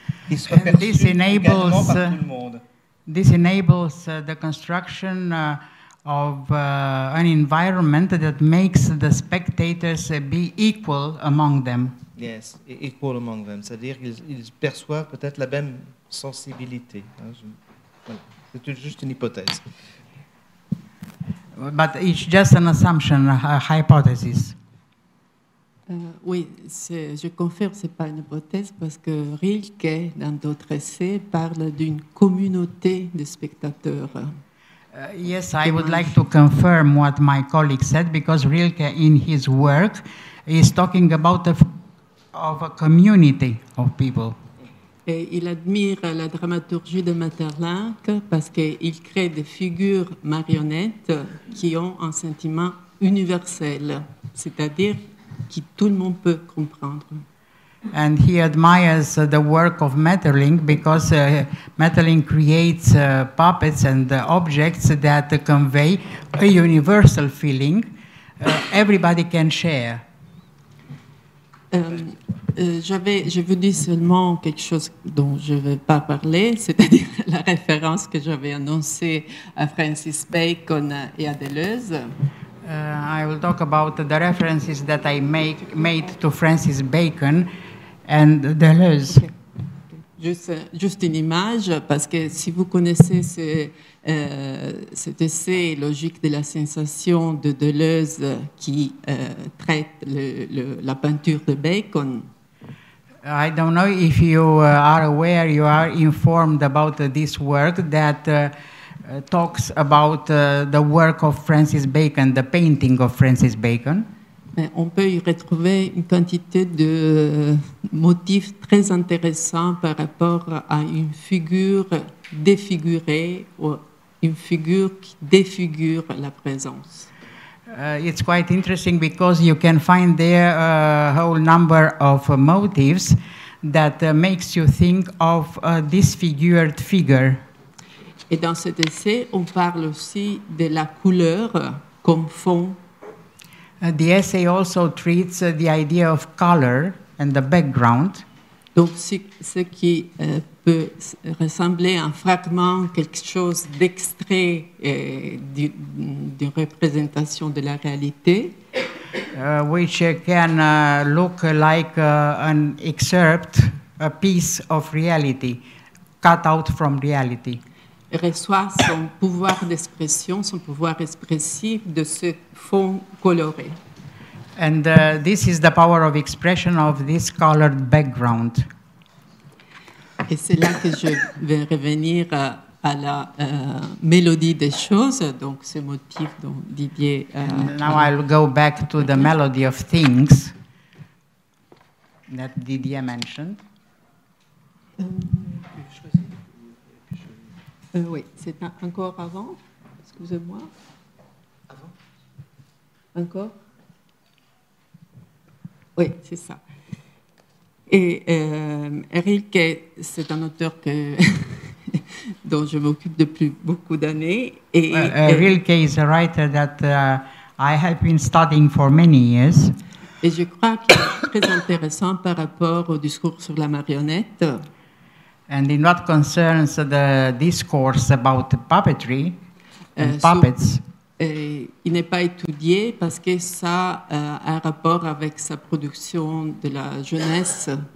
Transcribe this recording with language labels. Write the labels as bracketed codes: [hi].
[fr] Ils soient perçus également par tout le monde. [en] This enables the construction of an environment that makes the spectators be equal among them. Yes, equal among them. [fr] C'est-à-dire qu'ils perçoivent peut-être la même sensibilité. Voilà. C'est juste une hypothèse. [en] But it's just an assumption, a hypothesis. [fr] Oui, je confirme, ce n'est pas une hypothèse, parce que Rilke, dans d'autres essais, parle d'une communauté de spectateurs. [en] Yes, I would like to confirm what my colleague said, because Rilke, in his work, is talking about a community of people. [fr] Et il admire la dramaturgie de Maeterlinck, parce qu'il crée des figures marionnettes qui ont un sentiment universel, c'est-à-dire qui tout le monde peut comprendre. [en] And he admires the work of Maeterlinck because Maeterlinck creates puppets and objects that convey a universal feeling everybody can share. [fr] Je vous dis seulement quelque chose dont je ne vais pas parler, c'est-à-dire la référence que j'avais annoncée à Francis Bacon et à Deleuze. [en] I will talk about the references that I made to Francis Bacon and Deleuze. Okay. [fr] Juste une image, parce que si vous connaissez cet essai « Logique de la sensation » de Deleuze qui traite la peinture de Bacon. [en] I don't know if you are aware, you are informed about this work that talks about the work of Francis Bacon, the painting of Francis Bacon. [fr] On peut y retrouver une quantité de motifs très intéressants par rapport à une figure défigurée ou une figure qui défigure la présence. [en] It's quite interesting because you can find there a whole number of motifs that makes you think of a disfigured figure. [fr] Et dans cet essai, on parle aussi de la couleur comme fond. [en] The essay also treats the idea of color and the background. [fr] Donc, ce qui peut ressembler à un fragment, quelque chose d'extrait d'une représentation de la réalité. [en] Which can look like an excerpt, a piece of reality, cut out from reality. [fr] Reçoit son pouvoir d'expression, son pouvoir expressif de ce fond coloré. [en] And this is the power of expression of this colored background. [fr] Et c'est là que je vais revenir à la mélodie des choses, donc ce motif dont Didier... Now I'll go back to the melody of things that Didier mentioned. Oui, c'est encore avant, excusez-moi. Avant. Encore. Oui, c'est ça. Et Eric, c'est un auteur que dont je m'occupe depuis beaucoup d'années. Et [en] Rilke is a writer that I have been studying for many years. [fr] Et je crois qu'il est très intéressant par rapport au discours sur la marionnette. [en] And in what concerns the discourse about puppetry and puppets. [fr] Il n'est pas étudié parce que ça a un rapport avec sa production de la jeunesse.